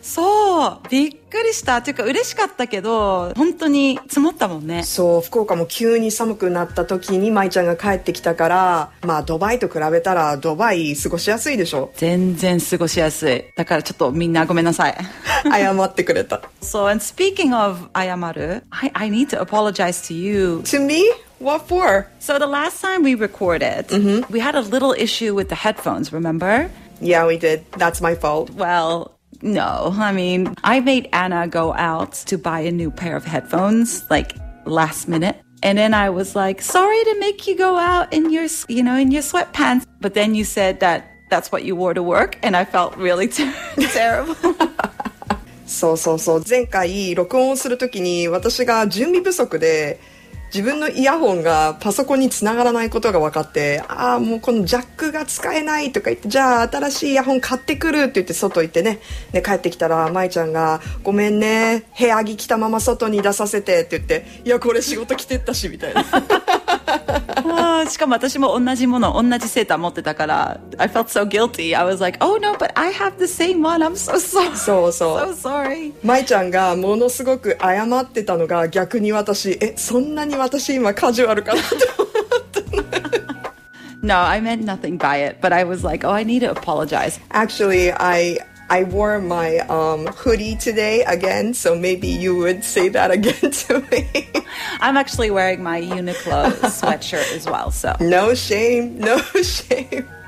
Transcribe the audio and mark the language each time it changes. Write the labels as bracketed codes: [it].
[ja] そう、びっくりした。というか嬉しかったけど、本当に積もったもんね。そう、福岡も急に寒くなった時にまいちゃんが帰ってきたから、まあドバイと比べたらドバイ過ごしやすいでしょ。全然過ごしやすい。だからちょっとみんなごめんなさい。謝ってくれた。 [en] So, and speaking of 謝る、 I need to apologize to you. To me? What for? So the last time we recorded, we had a little issue with the headphones, remember? Yeah, we did. That's my fault. Well, no. I mean, I made Anna go out to buy a new pair of headphones, like, last minute. And then I was like, sorry to make you go out in your, you know, in your sweatpants. But then you said that that's what you wore to work, and I felt really terrible. [ja] そうそうそう。前回録音をするときに私が準備不足で、自分のイヤホンがパソコンにつながらないことが分かって、ああ、もうこのジャックが使えないとか言って、じゃあ新しいイヤホン買ってくるって言って外行ってね。で帰ってきたら舞ちゃんが、ごめんね、部屋着着たまま外に出させてって言って、いやこれ仕事着てったしみたいな。しかも私も同じもの、同じセーター持ってたから、 [en] I felt so guilty. I was like, oh no, but I have the same one. I'm so sorry. [ja] そうそう、 [en] so sorry. [ja] まいちゃんがものすごく謝ってたのが、逆に私、そんなに私今カジュアルかなと思った [en] の。No, I meant nothing by it, but I was like, oh, I need to apologize. Actually, I wore my hoodie today again, so maybe you would say that again to me. I'm actually wearing my Uniqlo sweatshirt as well, so. No shame, no shame.